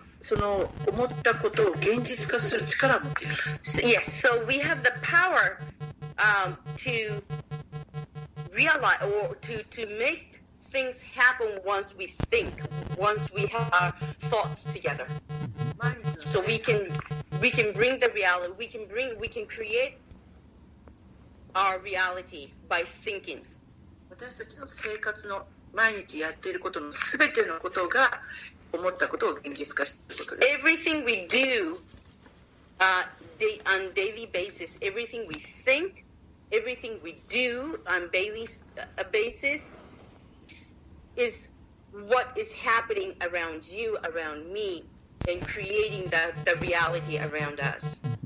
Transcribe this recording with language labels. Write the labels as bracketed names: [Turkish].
[Japanese] その思ったことを現実化する力を持っています。 [English] Yes, so we have the power, to realize or to make things happen once we think, once we have our thoughts together. So we can bring the reality. We can create our reality by thinking. [Japanese] 私たちの生活の毎日やっていることのすべてのことが思ったことを現実化していることです。 [English] Everything we do, on a daily basis, everything we think, everything we do on a daily basis is what is happening around you, around me, and creating the reality around us.